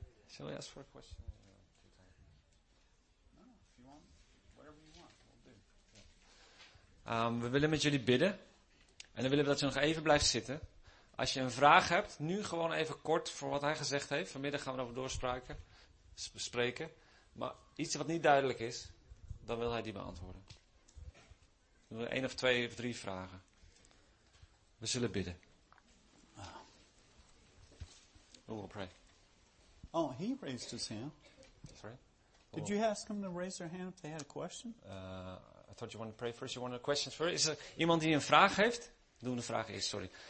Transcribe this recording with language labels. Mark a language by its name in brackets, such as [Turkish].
[English] Shall we ask for a question? No, if you want, whatever you want, we'll do. Yeah. [Dutch] We willen met jullie bidden. En dan willen we dat je nog even blijft zitten. Als je een vraag hebt, nu gewoon even kort voor wat hij gezegd heeft. Vanmiddag gaan we erover doorspraken. Spreken, maar iets wat niet duidelijk is, dan wil hij die beantwoorden. We willen 1 of 2 of 3 vragen. We zullen bidden. [English] We will pray. Oh, he raised his hand. Sorry? Did you ask him to raise their hand if they had a question? I thought you wanted to pray first, you wanted a question first. [Dutch] Is er iemand die een vraag heeft? Doe de vraag eerst, sorry.